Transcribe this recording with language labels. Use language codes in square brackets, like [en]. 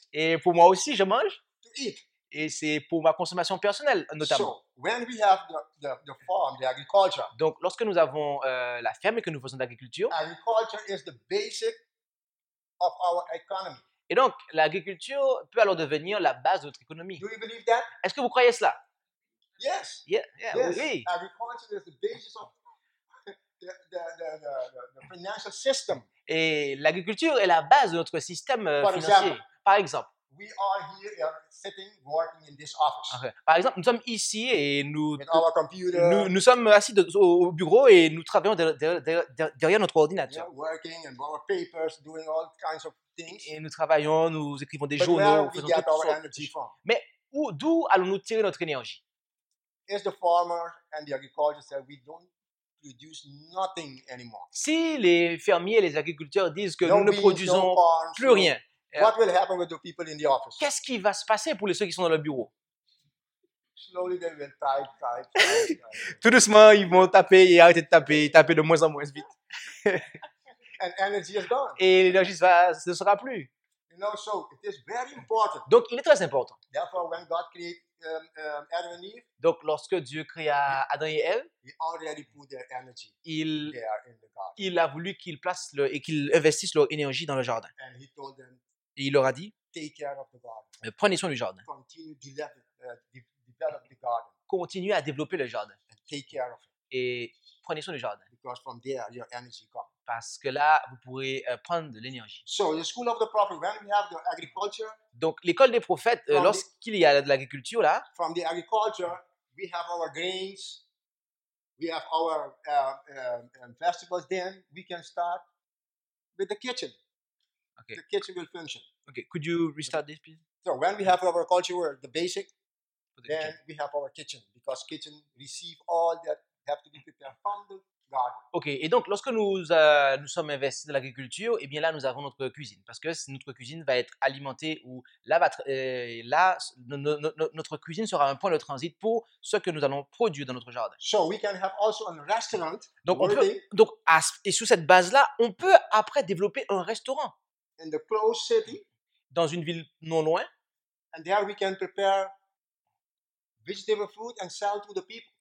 [fr] Et pour moi aussi, je mange. [en] To eat. [fr] Et c'est pour ma consommation personnelle, notamment. [en] So, when we have the farm, the agriculture, [fr] donc, lorsque nous avons la ferme et que nous faisons de l'agriculture, [en] agriculture is the basic of our economy. [fr] Et donc, l'agriculture peut alors devenir la base de notre économie. [en] Do you believe that? [fr] Est-ce que vous croyez cela? [en] Yes. Yeah, yes. Oui. Agriculture is the basis of the financial system. [fr] Et l'agriculture est la base de notre système financier. [en] Example, [fr] par exemple. [en] We are here sitting, working in this office. Okay. [fr] Par exemple, nous sommes ici et nous, [en] with our computer, [fr] nous sommes assis au bureau et nous travaillons derrière notre ordinateur. [en] Yeah, working and our papers, doing all kinds of things. [fr] Et nous travaillons, nous écrivons des [en] but [fr] journaux, [en] where we get our energy from? [fr] Mais d'où allons-nous tirer notre énergie? [en] It's the farmer and the agriculture said we don't produce nothing anymore. [fr] Si les fermiers et les agriculteurs disent que nous ne produisons plus rien. [en] What will happen with the people in the office? [fr] Qu'est-ce qui va se passer pour ceux qui sont dans le bureau? [en] Slowly they will type. [fr] Tout doucement, ils vont taper et arrêter de taper, et taper de moins en moins vite. [en] And energy is gone. [fr] Et l'énergie ne sera plus. [en] You know, so it is very important. [fr] Donc, il est très important. [en] Therefore, when God created Adam and Eve, [fr] donc, lorsque Dieu créa Adam et Ève, [en] he already put their energy there in the garden. [fr] Il a voulu qu'ils placent et qu'ils investissent leur énergie dans le jardin. [en] And he told them, [fr] et il leur a dit, [en] take care of the garden. [fr] Prenez soin du jardin. [en] Continue the garden. [fr] Continuez à développer le jardin. [en] And take care of it. [fr] Et prenez soin du jardin. [en] Because from there, your energy comes. [fr] Parce que là, vous pourrez prendre de l'énergie. [en] So, the school of the prophet, when we have the agriculture, [fr] donc, l'école des prophètes, lorsqu'il y a de l'agriculture, là, [en] from the agriculture, we have our grains, we have our vegetables, then we can start with the kitchen. Okay. The kitchen will function. Okay, could you restart this, please? So, when we have agriculture, the basic, for the kitchen. Then we have our kitchen because kitchen receive all that have to be prepared from the garden. [fr] Okay, et donc lorsque nous nous sommes investis dans l'agriculture, et bien là nous avons notre cuisine parce que notre cuisine va être alimentée ou là va là notre cuisine sera un point de transit pour ce que nous allons produire dans notre jardin. [en] So we can have also a restaurant. [fr] Donc on peut, donc et sous cette base là, on peut après développer un restaurant. [en] In the close city. [fr] Dans une ville non loin. [en] And there we can prepare vegetable food and sell to the people.